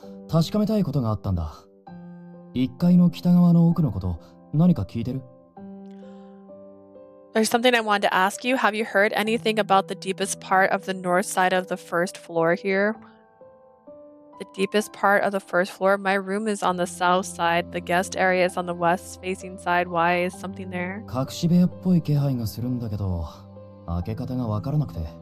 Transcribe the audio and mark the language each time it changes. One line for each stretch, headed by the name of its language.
Japanese: 確かめたいことがあったんだ。1階の北側の奥のこと、何か聞いてる？
English: There's something I wanted to ask you. Have you heard anything about the deepest part of the north side of the first floor here? The deepest part of the first floor. My room is on the south side. The guest area is on the west facing side. Why is something there?
Japanese: 隠し部屋っぽい気配がするんだけど、開け方がわからなくて。